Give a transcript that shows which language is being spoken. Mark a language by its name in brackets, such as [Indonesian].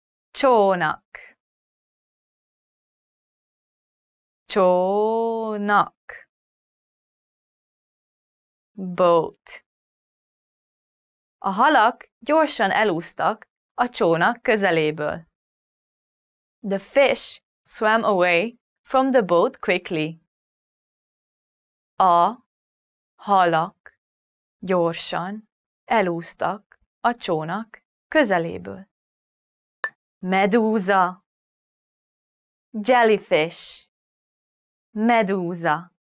[Hungarian] Csónak. Csónak. [English] Boat. [Hungarian] A halak gyorsan elúsztak a csónak közeléből. [English] The fish swam away from the boat quickly. [Hungarian] A halak gyorsan elúsztak a csónak közeléből. Medúza. [English] Jellyfish. [Hungarian] Medúza.